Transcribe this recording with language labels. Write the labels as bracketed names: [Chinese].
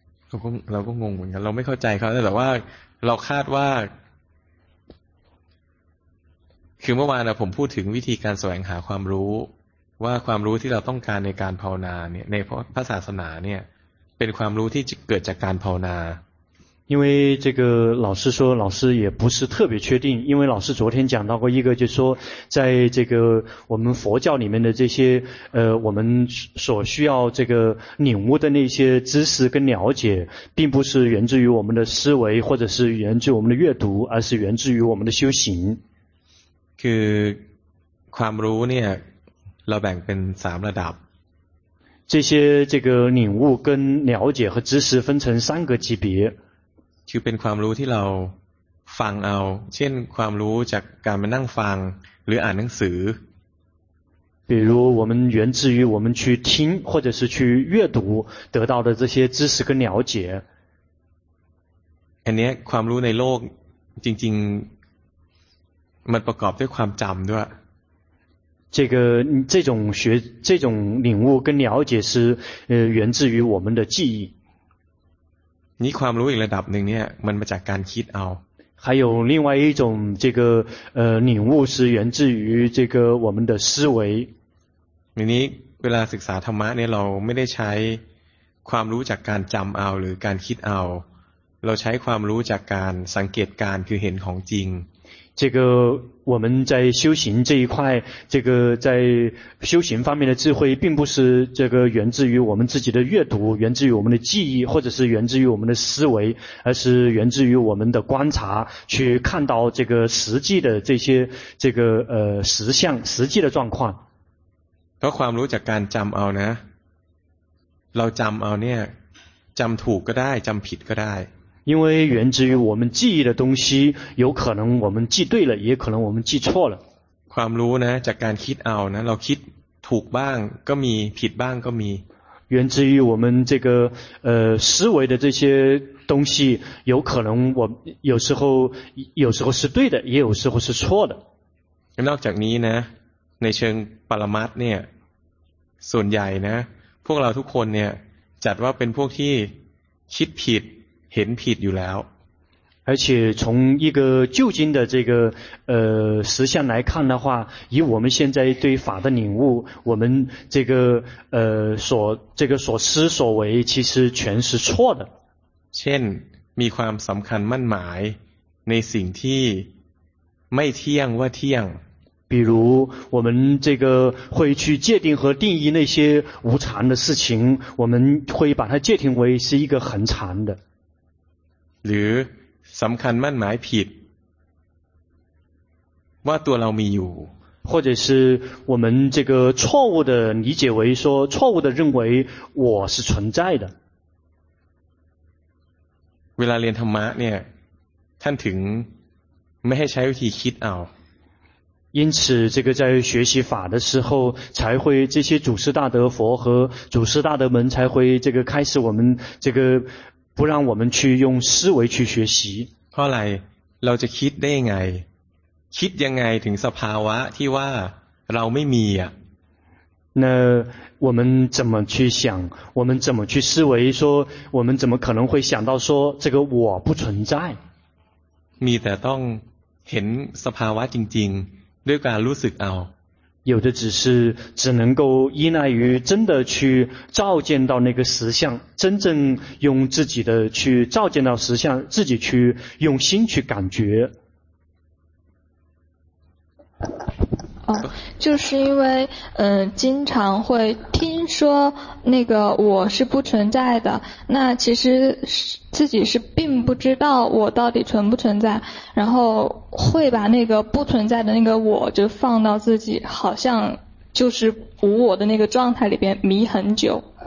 [Thai] เราก็งงเหมือนกันเราไม่เข้าใจเขาแต่ว่าเราคาดว่าคือเมื่อวานนะผมพูดถึงวิธีการแสวงหาความรู้ว่าความรู้ที่เราต้องการในการภาวนาเนี่ยในพระศาสนาเนี่ยเป็นความรู้ที่เกิดจากการภาวนา [Chinese] 因为这个老师说老师也不是特别确定因为老师昨天讲到过一个就是说在这个我们佛教里面的这些我们所需要这个领悟的那些知识跟了解并不是源自于我们的思维或者是源自于我们的阅读而是源自于我们的修行 [Thai] คือความรู้เนี่ยเราแบ่งเป็น3ระดับ [Chinese] 这些这个领悟跟了解和知识分成三个级别 [Thai] คือเป็นความรู้ที่เราฟังเอาเช่นความรู้จากการมานั่งฟังหรืออ่านหนังสือ [Chinese] 比如我们源自于我们去听或者是去阅读得到的这些知识跟了解 [Thai] อันนี้ความรู้ในโลกจริงๆมันประกอบด้วยความจำด้วย [Chinese] 这种领悟跟了解是源自于我们的记忆 [Thai] นี่ความรู้อีกระดับหนึ่งเนี่ยมันมาจากการคิดเอา [Chinese] 还有另外一种这个领悟是源自于这个我们的思维 [Thai] นี้เวลาศึกษาธรรมะเนี่ยเราไม่ได้ใช้ความรู้จากการจำเอาหรือการคิดเอาเราใช้ความรู้จากการสังเกตการคือเห็นของจริง [Chinese] 这个我们在修行这一块这个在修行方面的智慧并不是这个源自于我们自己的阅读源自于我们的记忆或者是源自于我们的思维而是源自于我们的观察去看到这个实际的这些这个实相实际的状况 [Thai] เพราะความรู้จากการจำเอานะเราจำเอาเนี่ยจำถูกก็ได้จำผิดก็ได้ [Chinese] 因为源自于我们记忆的东西有可能我们记对了也可能我们记错了 [Thai] ความรู้นะจากการคิดเอานะเราคิดถูกบ้างก็มีผิดบ้างก็มี [Chinese] 源自于我们这个思维的这些东西有可能我有时候是对的也有时候是错的 [Thai] นอกจากนี้นะในเชิงปรมัตถ์เนี่ยส่วนใหญ่นะพวกเราทุกคนเนี่ยจัดว่าเป็นพวกที่คิดผิดเห็นผิดอยู่แล้ว [Chinese] 而且从一个究竟的这个实相来看的话以我们现在对法的领悟我们这个所思所为其实全是错的 [Thai] เช่นมีความสำคัญมั่นหมายในสิ่งที่ไม่เที่ยงว่าเที่ยง [Chinese] 比如我们这个会去界定和定义那些无常的事情我们会把它界定为是一个恒常的 [Thai] หรือสำคัญมั่นหมายผิดว่าตัวเรามีอยู่ [Chinese] 或者是我们这个错误的理解为说错误的认为我是存在的 [Thai] เวลาเรียนธรรมะเนี่ยท่านถึงไม่ให้ใช้วิธีคิดเอา [Chinese] 因此这个在学习法的时候才会这些祖师大德佛和祖师大德们才会这个开始我们这个不让我们去用思维去学习 [Thai] เพราะอะไรเราจะคิดได้ไงคิดยังไงถึงสภาวะที่ว่าเราไม่มีอ่ะ [Chinese] 那我们怎么去想我们怎么去思维说我们怎么可能会想到说这个我不存在 [Thai] มีแต่ต้องเห็นสภาวะจริงๆด้วยการรู้สึกเอา [Chinese] 有的只能够依赖于真的去照见到那个实相，真正用自己的去照见到实相，自己去用心去感觉。哦，就是因为经常会听说那个我是不存在的，那其实自己是并不知道我到底存不存在，然后会把那个不存在的那个我就放到自己好像就是无我的那个状态里边迷很久。